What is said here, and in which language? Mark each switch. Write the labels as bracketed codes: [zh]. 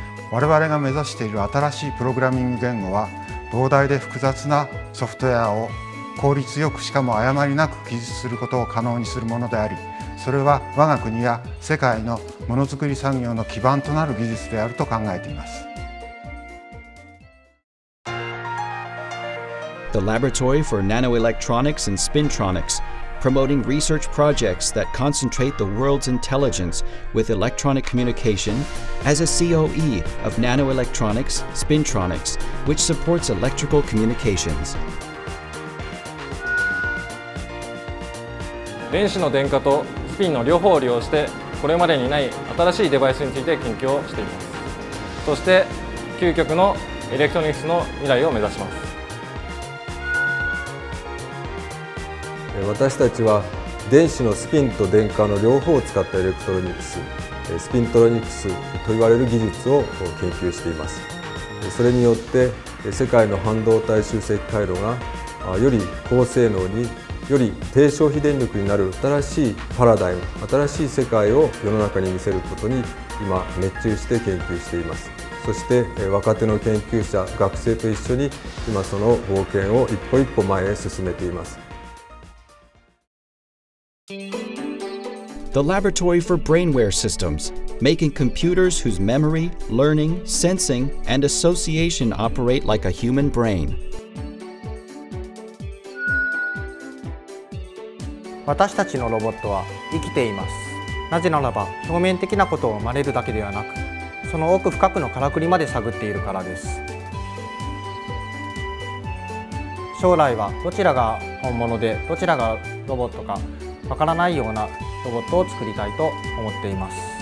[ja] 我々が目指している新しいプログラミング言語は、膨大で複雑なソフトウェアを効率よく、しかも誤りなく記述することを可能にするものであり、それは我が国や世界のものづくり産業の基盤となる技術であると考えています。 [en] The Laboratory for Nanoelectronics and Spintronics, promoting research projects that concentrate the world's intelligence with electronic communication, as a COE of Nanoelectronics, Spintronics, which supports electrical communications. [ja] 電子の電荷とスピンの両方を利用してこれまでにない新しいデバイスについて研究をしています。そして究極のエレクトニクスの未来を目指します。私たちは電子のスピンと電荷の両方を使ったエレクトロニクス、スピントロニクスといわれる技術を研究しています。それによって世界の半導体集積回路がより高性能に、より低消費電力になる新しいパラダイム、新しい世界を世の中に見せることに今熱中して研究しています。そして若手の研究者、学生と一緒に今その冒険を一歩一歩前へ進めています。 [en] The Laboratory for Brainware Systems, making computers whose memory, learning, sensing, and association operate like a human brain. [ja] 私たちのロボットは生きています。なぜならば、表面的なことを真似るだけではなく、その奥深くのからくりまで探っているからです。将来はどちらが本物で、どちらがロボットか、わからないようなロボットを作りたいと思っています。